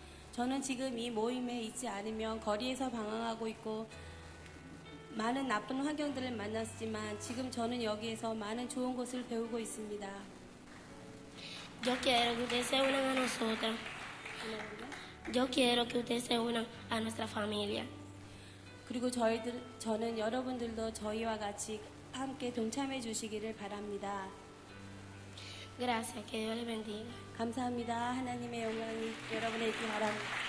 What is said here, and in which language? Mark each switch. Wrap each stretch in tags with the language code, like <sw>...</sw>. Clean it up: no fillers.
<ko>저는 지금 이 모임에 있지 않으면 거리에서 방황하고 있고 많은 나쁜 환경들을 만났지만 지금 저는 여기에서 많은 좋은 것을 배우고 있습니다.</ko> <es>Yo quiero que ustedes se unan a nosotros. Yo quiero que ustedes se unan a nuestra familia.</es> <ko>그리고 저희들 저는 여러분들도 저희와 같이 함께 동참해 주시기를 바랍니다.</ko> <es>Gracias, que Dios les bendiga.</es> <ko>감사합니다. 하나님의 영광이 여러분에게 있기 바랍니다.</ko>